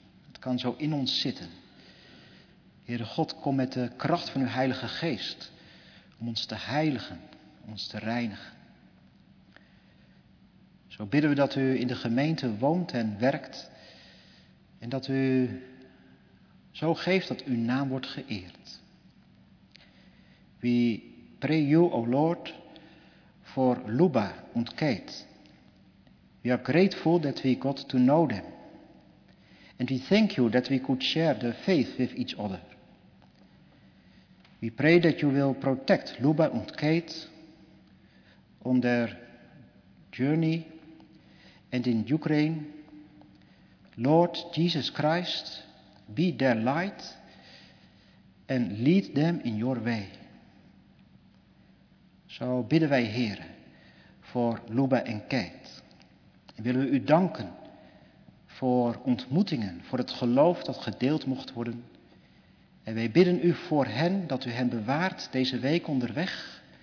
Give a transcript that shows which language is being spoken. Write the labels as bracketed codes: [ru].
[nl] Het kan zo in ons zitten. Heere God, kom met de kracht van uw Heilige Geest. Om ons te heiligen. Om ons te reinigen. Zo bidden we dat u in de gemeente woont en werkt. En dat u zo geeft dat uw naam wordt geëerd. [en] We pray you, O Lord, for Luba and Kate. We are grateful that we got to know them. And we thank you that we could share the faith with each other. We pray that you will protect Luba and Kate on their journey and in Ukraine. Lord Jesus Christ, be their light and lead them in your way. [nl] Zo bidden wij, Heere, voor Luba en Kate. En willen we u danken voor ontmoetingen, voor het geloof dat gedeeld mocht worden. En wij bidden u voor hen, dat u hen bewaart deze week onderweg.